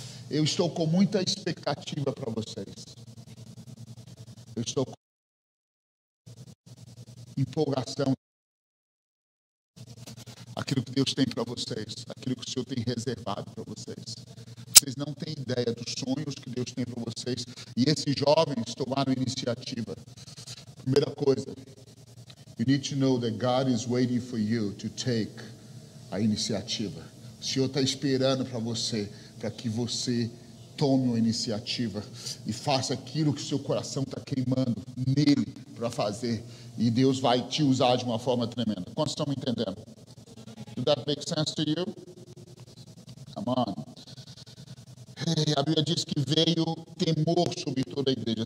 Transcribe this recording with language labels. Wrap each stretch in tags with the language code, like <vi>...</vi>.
<pt>Eu estou com muita expectativa para vocês. Eu estou com empolgação. Aquilo que Deus tem para vocês. Aquilo que o Senhor tem reservado para vocês. Vocês não têm ideia dos sonhos que Deus tem para vocês. E esses jovens tomaram iniciativa. Primeira coisa.</pt> <en>You need to know that God is waiting for you to take a iniciativa.</en> <pt>O Senhor está esperando para você, para que você tome uma iniciativa e faça aquilo que seu coração está queimando nele para fazer, e Deus vai te usar de uma forma tremenda. Quantos estão me entendendo?</pt> <en>Does that make sense to you? Come on.</en> <pt>Hey, a Bíblia diz que veio temor sobre toda a igreja.</pt>